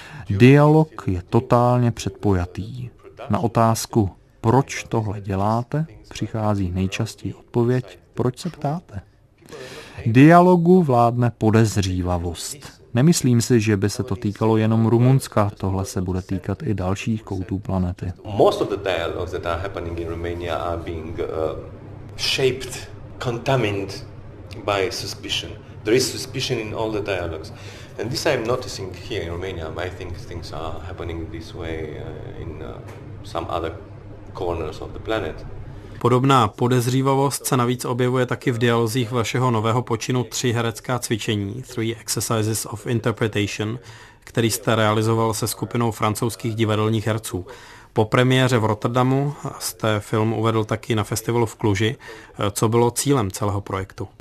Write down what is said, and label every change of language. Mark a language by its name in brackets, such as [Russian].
[Czech] Dialog je totálně předpojatý. Na otázku, proč tohle děláte, přichází nejčastěji odpověď, proč se ptáte. Dialogu vládne podezřívavost. Nemyslím si, že by se to týkalo jenom Rumunska, tohle se bude týkat i dalších koutů planety. [English] Most of the dialogues that are happening in Romania are being shaped, contaminated by suspicion. There is suspicion in all the dialogues. And this I'm noticing here in Romania. I think things are happening this way in some other corners of the planet. [Czech] Podobná podezřívavost se navíc objevuje taky v dialozích vašeho nového počinu Tři herecká cvičení, Three Exercises of Interpretation, který jste realizoval se skupinou francouzských divadelních herců. Po premiéře v Rotterdamu jste film uvedl taky na festivalu v Kluži. Co bylo cílem celého projektu?